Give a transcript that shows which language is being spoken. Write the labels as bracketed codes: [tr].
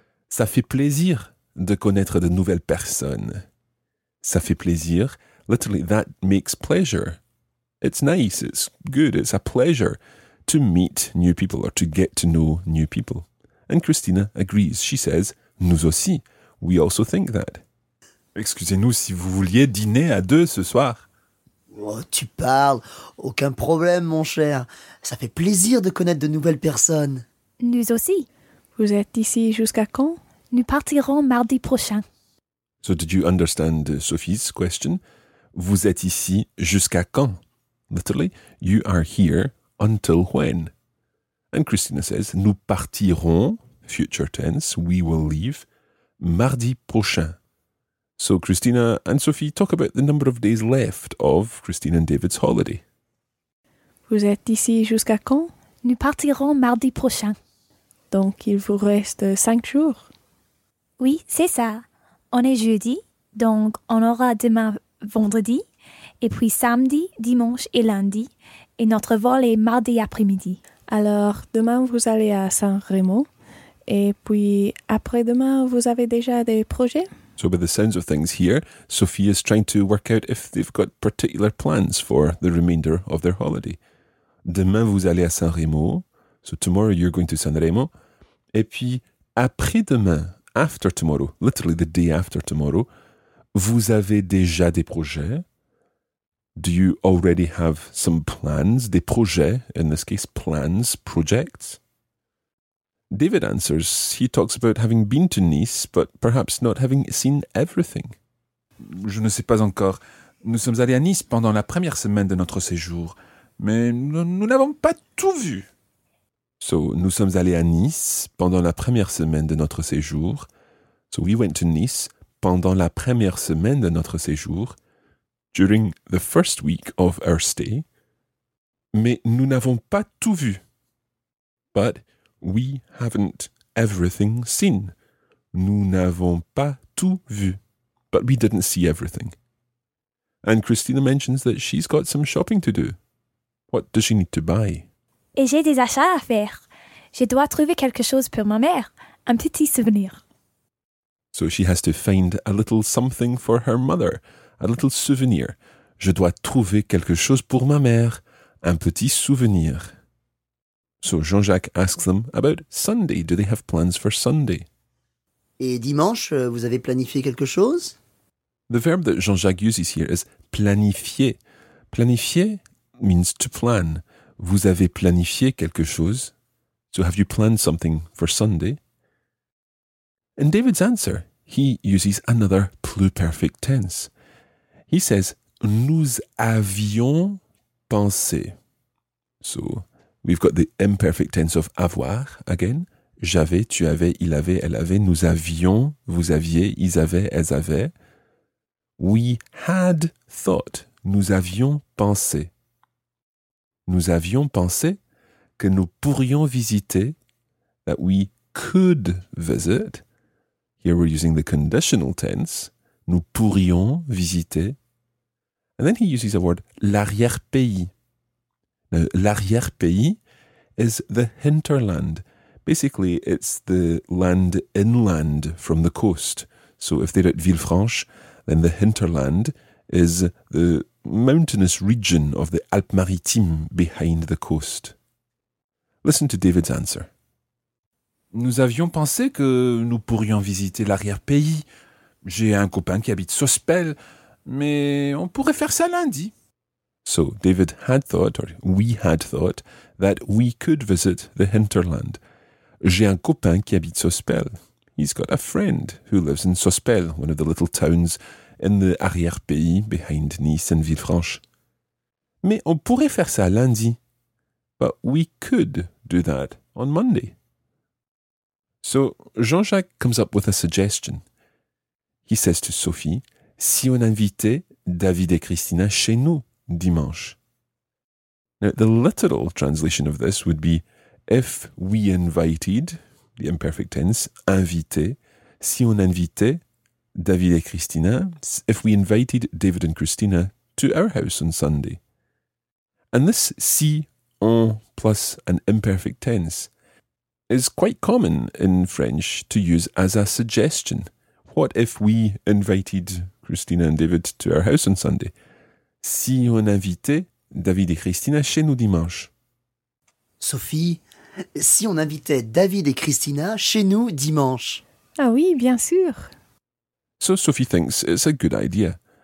[fr] Ça fait plaisir de connaître de nouvelles personnes. Ça fait plaisir. [en] Literally, that makes pleasure. It's nice, it's good, it's a pleasure to meet new people or to get to know new people. And Christina agrees. She says, [fr] nous aussi. [en] We also think that. [fr] Excusez-nous si vous vouliez dîner à deux ce soir. Oh, tu parles. Aucun problème, mon cher. Ça fait plaisir de connaître de nouvelles personnes. Nous aussi. Vous êtes ici jusqu'à quand? Nous partirons mardi prochain. [en] So did you understand Sophie's question? [fr] Vous êtes ici jusqu'à quand? [en] Literally, you are here until when? And Christina says, [fr] nous partirons, [en] future tense, we will leave, [fr] mardi prochain. [en] So Christina and Sophie talk about the number of days left of Christina and David's holiday. [fr] Vous êtes ici jusqu'à quand? Nous partirons mardi prochain. Donc il vous reste 5 jours. Oui, c'est ça. On est jeudi, donc on aura demain vendredi, et puis samedi, dimanche et lundi, et notre vol est mardi après-midi. Alors, demain vous allez à Saint-Rémy, et puis après-demain vous avez déjà des projets? [en] So by the sounds of things here, Sophie is trying to work out if they've got particular plans for the remainder of their holiday. [fr] Demain vous allez à Saint-Rémy, [en] so tomorrow you're going to Saint-Rémy, [fr] et puis après-demain, [en] after tomorrow, literally the day after tomorrow, [fr] vous avez déjà des projets? [en] Do you already have some plans, [fr] des projets, [en] in this case, plans, projects? David answers, he talks about having been to Nice, but perhaps not having seen everything. [fr] Je ne sais pas encore. Nous sommes allés à Nice pendant la première semaine de notre séjour, mais nous n'avons pas tout vu. So, nous sommes allés à Nice pendant la première semaine de notre séjour. [en] So, we went to Nice [fr] pendant la première semaine de notre séjour. [en] During the first week of our stay. [fr] Mais nous n'avons pas tout vu. [en] But we haven't everything seen. [fr] Nous n'avons pas tout vu. [en] But we didn't see everything. And Christina mentions that she's got some shopping to do. What does she need to buy? [fr] Et j'ai des achats à faire. Je dois trouver quelque chose pour ma mère. Un petit souvenir. [en] So she has to find a little something for her mother. A little souvenir. [fr] Je dois trouver quelque chose pour ma mère. Un petit souvenir. [en] So Jean-Jacques asks them about Sunday. Do they have plans for Sunday? [fr] Et dimanche, vous avez planifié quelque chose? [en] The verb that Jean-Jacques uses here is planifier. Planifier means to plan. [fr] Vous avez planifié quelque chose? [en] So have you planned something for Sunday? In David's answer, he uses another pluperfect tense. He says, [fr] nous avions pensé. [en] So we've got the imperfect tense of avoir again. [fr] J'avais, tu avais, il avait, elle avait, nous avions, vous aviez, ils avaient, elles avaient. [en] We had thought, [fr] nous avions pensé. Nous avions pensé que nous pourrions visiter, [en] that we could visit. Here we're using the conditional tense. [fr] Nous pourrions visiter. [en] And then he uses a word, l'arrière-pays. Now, l'arrière-pays is the hinterland. Basically, it's the land inland from the coast. So if they're at Villefranche, then the hinterland is the mountainous region of the Alpes-Maritimes behind the coast. Listen to David's answer. [fr] Nous avions pensé que nous pourrions visiter l'arrière-pays. J'ai un copain qui habite Sospel, mais on pourrait faire ça lundi. [en] So David had thought, or we had thought, that we could visit the hinterland. [fr] J'ai un copain qui habite Sospel. [en] He's got a friend who lives in Sospel, one of the little towns in the arrière-pays behind Nice and Villefranche. [fr] Mais on pourrait faire ça lundi. [en] But we could do that on Monday. So Jean-Jacques comes up with a suggestion. He says to Sophie, [fr] si on invitait David et Christina chez nous dimanche. [en] Now the literal translation of this would be, if we invited, the imperfect tense, inviter, [fr] si on invitait David et Christina, [en] if we invited David and Christina to our house on Sunday. And this si, on plus an imperfect tense is quite common in French to use as a suggestion. What if we invited Christina and David to our house on Sunday? [fr] Si on invitait David et Christina chez nous dimanche. Sophie, si on invitait David et Christina chez nous dimanche. Ah oui, bien sûr. [en] So Sophie thinks it's a good idea.